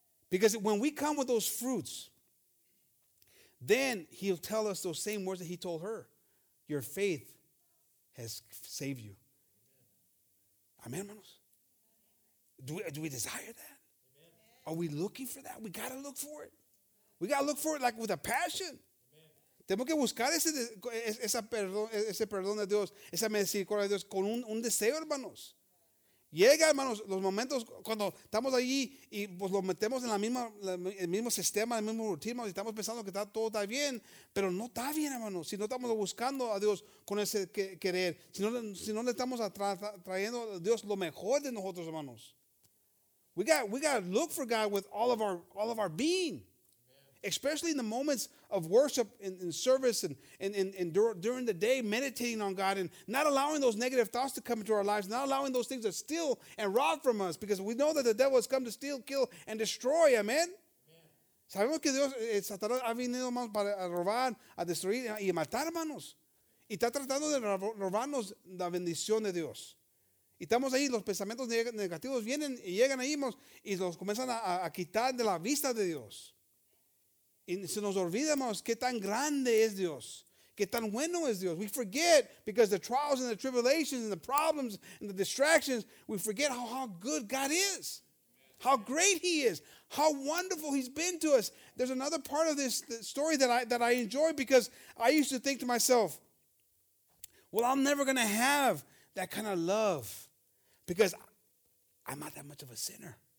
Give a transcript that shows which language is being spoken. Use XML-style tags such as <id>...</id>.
<en>Because when we come with those fruits, then he'll tell us those same words that he told her. Your faith has saved you. Amen, hermanos? Do we desire that? Amen. Are we looking for that? We got to look for it. We got to look for it like with a passion.</en> <es>Tenemos que buscar ese perdón de Dios, esa misericordia de Dios con un deseo, hermanos. Llega, hermanos, los momentos cuando estamos allí y pues lo metemos en el mismo sistema, el mismo rutina, y estamos pensando que todo está bien, pero no está bien, hermanos, si no estamos buscando a Dios con ese querer, si no le estamos trayendo a Dios lo mejor de nosotros, hermanos.</es> <en>We got to look for God with all of our being. especially in the moments of worship and service during the day, meditating on God and not allowing those negative thoughts to come into our lives, not allowing those things to steal and rob from us, because we know that the devil has come to steal, kill, and destroy. Amen?</en> <es>Sabemos que Dios, Satanás, ha venido más para robar, a destruir y a matar, hermanos. Y está tratando de robarnos la bendición de Dios. Y estamos ahí, los pensamientos negativos vienen y llegan ahí y los comienzan a quitar de la vista de Dios. Y se nos olvida, hermanos, qué tan grande es Dios, qué tan bueno es Dios.</es> <en>We forget, because the trials and the tribulations and the problems and the distractions, we forget how good God is, how great He is, how wonderful He's been to us. There's another part of this story that I enjoy, because I used to think to myself, well, I'm never going to have that kind of love, because I'm not that much of a sinner.</en>